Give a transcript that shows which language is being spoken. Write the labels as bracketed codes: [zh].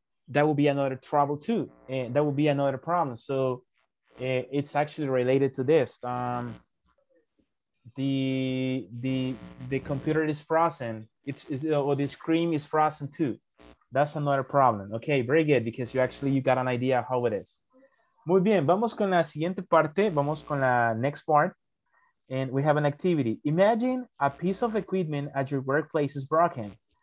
[en] That would be another trouble too. That would be another problem. So it's actually related to this. The computer is frozen. The screen is frozen too. That's another problem. Okay, very good, because you got an idea how it is. [es] Muy bien, vamos con la siguiente parte, vamos con la [en] next part. And we have an activity. Imagine a piece of equipment at your workplace is broken.